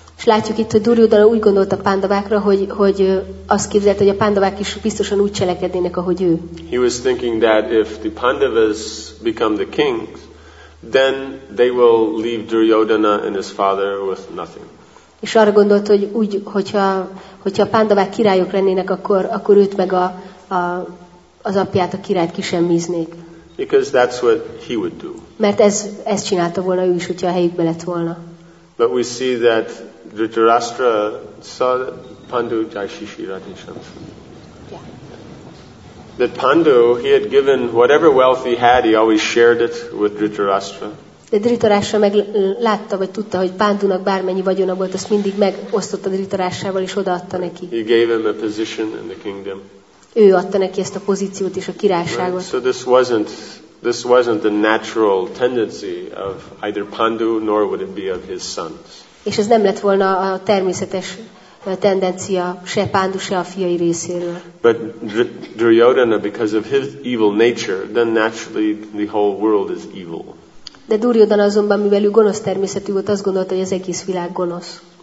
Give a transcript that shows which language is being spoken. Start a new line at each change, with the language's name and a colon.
Hungarian: És látjuk itt, hogy Duryodhana úgy gondolt a Pándavákra, hogy azt képzelt, hogy a Pándavák is biztosan úgy cselekednének, ahogy ő.
English: He was thinking that if the Pandavas become the kings, then they will leave Duryodhana and his father with nothing.
Hungarian: És arra gondolt, hogy úgy, hogyha a Pándavák királyok lennének, akkor őt meg az apját, a királyt kisemmíznék.
English: Because that's what he would do.
Hungarian: Mert ez csinálta volna ő is, hogyha a helyükbe lett volna.
English: But we see that Dhritarashtra saw Pandu Jaishishi Radhisham. That Pandu, he had given whatever wealth he had, he always shared it with Dhritarashtra.
Hungarian: De Dhritarashtra meg látta, vagy tudta, hogy Pándunak bármennyi vagyona volt, azt mindig megosztotta Dhritarashtrával, és odaadta neki.
English: He gave him a position in the kingdom.
Hungarian: Ő adta neki ezt a pozíciót és a királyságot.
English: Right. So this wasn't the natural tendency of either Pandu, nor would it be of his sons.
Hungarian: És ez nem lett volna a természetes tendencia se Pándu, se a fiai részéről.
English: But Duryodhana, because of his evil nature, then naturally the whole world is evil.
Hungarian: De Duryodhana azonban, mivel ő gonosz természetű volt, azt gondolta, hogy az egész világ gonosz.